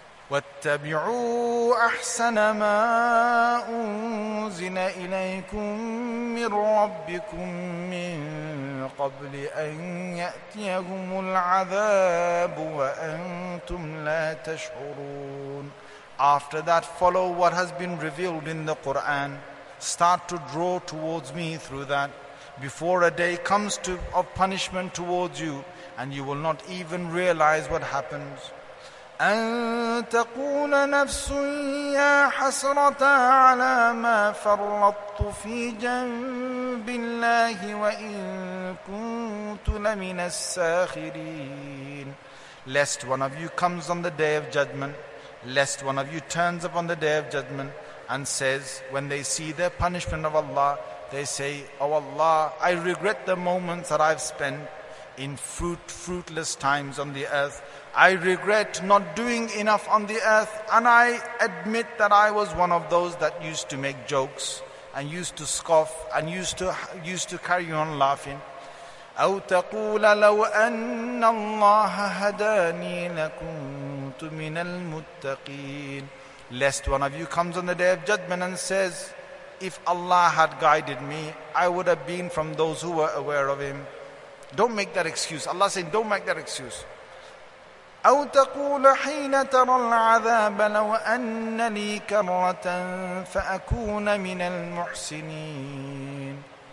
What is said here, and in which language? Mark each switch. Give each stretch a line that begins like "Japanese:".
Arabic: وَاتَّبِعُوا أَحْسَنَ مَا أُنزِلَ إِلَيْكُمْ مِنْ رَبِّكُمْ مِنْ قَبْلِ أَنْ يَأْتِيَهُمُ الْعَذَابُ وَأَنْتُمْ لَا تَشْعُرُونَ.
English: After that, follow what has been revealed in the Quran. Start to draw towards me through that. Before a day comes to of punishment towards you, and you will not even realize what happens.
Arabic: أن تقول نفس يا حسرة على ما فرطت في جنب الله وإن كنت لمن الساخرين.
English: Lest one of you comes on the day of judgment, lest one of you turns upon the day of judgment and says, when they see the punishment of Allah, they say, Oh Allah, I regret the moments that I've spent in fruitless times on the earth. I regret not doing enough on the earth, and I admit that I was one of those that used to make jokes and used to scoff and used to carry on laughing.
Arabic: أو تقول لو أن الله هداني لكنت من المتقين.
English: Lest one of you comes on the day of judgment and says, if Allah had guided me, I would have been from those who were aware of Him. Don't make that excuse. Allah saying, don't make that excuse.
Arabic: أو تقول حين ترى العذاب لو أن لي كرة فأكون من المحسنين.